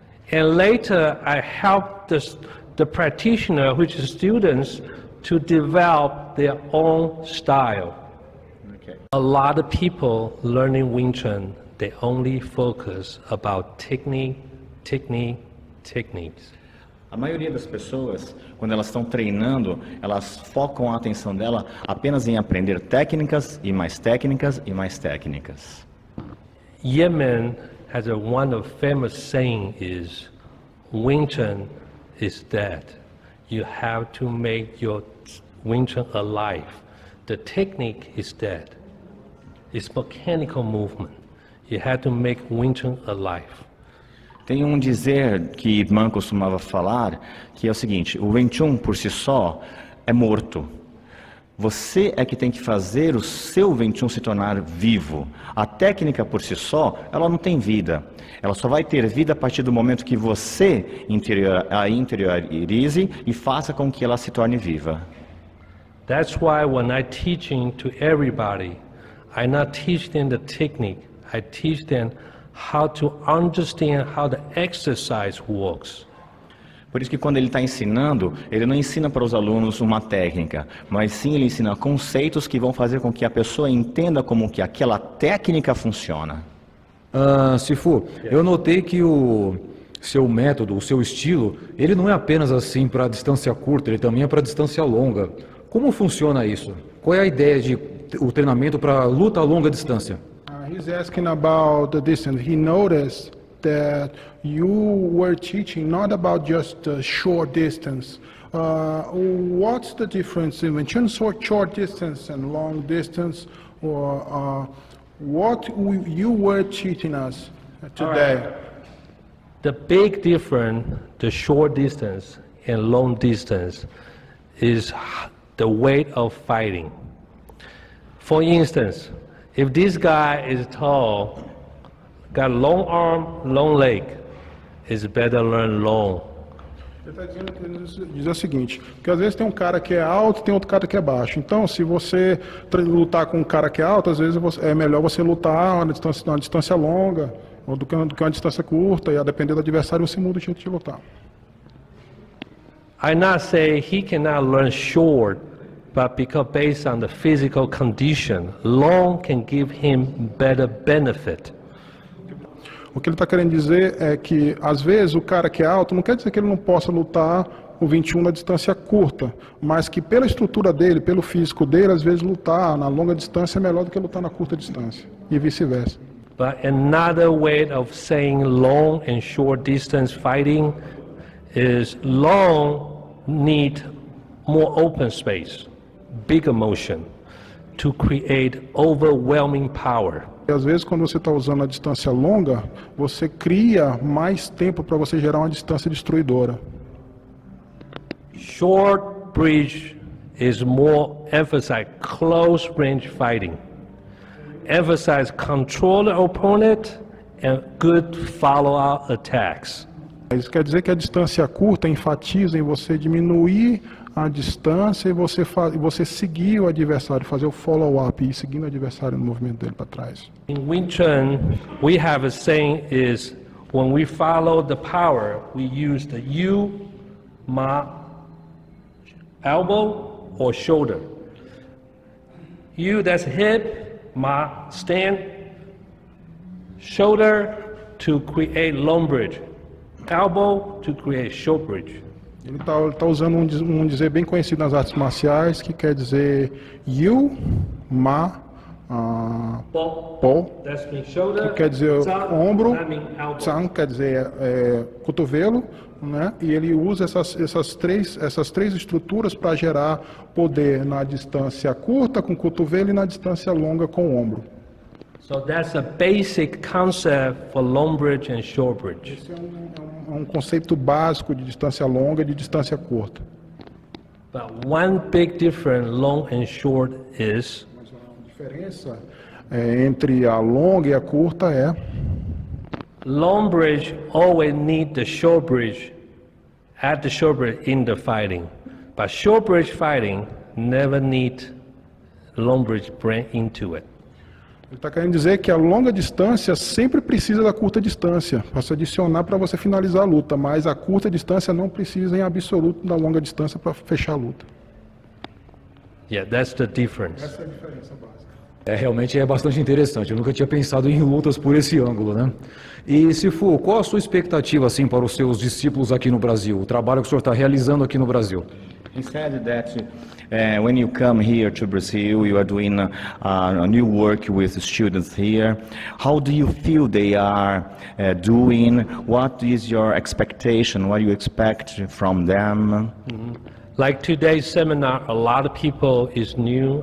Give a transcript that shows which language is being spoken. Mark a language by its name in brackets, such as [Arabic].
[English] And later I help the practitioner, which is students, to develop their own style. A lot of people learning Wing Chun, they only focus about technique, technique, techniques. [Portuguese] A maioria das pessoas, quando elas estão treinando, elas focam a atenção dela apenas em aprender técnicas e mais técnicas e mais técnicas. [English] Yemen has a one of famous saying is Wing Chun is dead. You have to make your Wing Chun alive. The technique is dead. It's mechanical movement. You have to make Wing Chun alive. [Portuguese] Tem um dizer que Man costumava falar, que é o seguinte: o Wing Chun por si só é morto. Você é que tem que fazer o seu Wing Chun se tornar vivo. A técnica por si só, ela não tem vida. Ela só vai ter vida a partir do momento que você interiorize e faça com que ela se torne viva. [English] That's why when I teach to everybody, I not teach them the technique, I teach them how to understand how the exercise works. [Portuguese] Por isso que quando ele está ensinando, ele não ensina para os alunos uma técnica, mas sim ele ensina conceitos que vão fazer com que a pessoa entenda como que aquela técnica funciona. [English] Sifu, yes. [Portuguese] Eu notei que o seu método, o seu estilo, ele não é apenas assim para a distância curta, ele também é para a distância longa. Como funciona isso? Qual é a ideia de o treinamento para luta a longa distância? [English] He's asking about the distance. He noticed that you were teaching not about just the short distance. What's the difference in Wing Chun for short distance and long distance? Or you were teaching us today? Right. The big difference, the short distance and long distance, is the weight of fighting. For instance, if this guy is tall, got long arm, long leg, it's better learn long. [Portuguese] Ele está dizendo, diz o seguinte, que às vezes tem um cara que é alto e tem outro cara que é baixo. Então, se você lutar com um cara que é alto, às vezes é melhor você lutar uma distância longa ou do que uma distância curta, e a depender do adversário você muda o jeito de lutar. [English] I not say he cannot learn short, but because based on the physical condition, long can give him better benefit. [Portuguese] O que ele está querendo dizer é que, às vezes, o cara que é alto, não quer dizer que ele não possa lutar o 21 na distância curta, mas que pela estrutura dele, pelo físico dele, às vezes lutar na longa distância é melhor do que lutar na curta distância, e vice-versa. [English] But another way of saying long and short distance fighting is long need more open space, bigger motion, to create overwhelming power. [Portuguese] E às vezes quando você está usando a distância longa, você cria mais tempo para você gerar uma distância destruidora. [English] Short bridge is more emphasize close range fighting. Emphasize control the opponent and good follow-up attacks. [Portuguese] Isso quer dizer que a distância curta enfatiza em você diminuir a distância e você seguir o adversário, fazer o follow-up e seguindo o adversário no movimento dele para trás. [English] In Wing Chun, we have a saying is when we follow the power, we use the yu, ma, elbow or shoulder. Yu, that's hip, ma, stand, shoulder to create long bridge. Elbow to create short bridge. [Portuguese] Ele tá usando um dizer bem conhecido nas artes marciais, que quer dizer yu, ma, po, que quer dizer zang, ombro, zang, quer dizer cotovelo, né? E ele usa essas três estruturas para gerar poder na distância curta com o cotovelo e na distância longa com o ombro. [English] So that's a basic concept for long bridge and short bridge. [Portuguese] Esse é um conceito básico de distância longa e de distância curta. [English] But one big difference long and short is. [Portuguese] A diferença entre a longa e a curta é. [English] Long bridge always need the short bridge at the short bridge in the fighting. But short bridge fighting never need long bridge bring into it. [Portuguese] Ele está querendo dizer que a longa distância sempre precisa da curta distância para se adicionar para você finalizar a luta, mas a curta distância não precisa em absoluto da longa distância para fechar a luta. [English] Yeah, that's the difference. [Portuguese] Essa é a diferença básica. É, realmente é bastante interessante. Eu nunca tinha pensado em lutas por esse ângulo, né? E, Sifu, qual a sua expectativa, assim, para os seus discípulos aqui no Brasil? O trabalho que o senhor está realizando aqui no Brasil? [English] He said that when you come here to Brazil, you are doing a new work with students here. How do you feel they are doing? What is your expectation? What do you expect from them? Like today's seminar, a lot of people is new.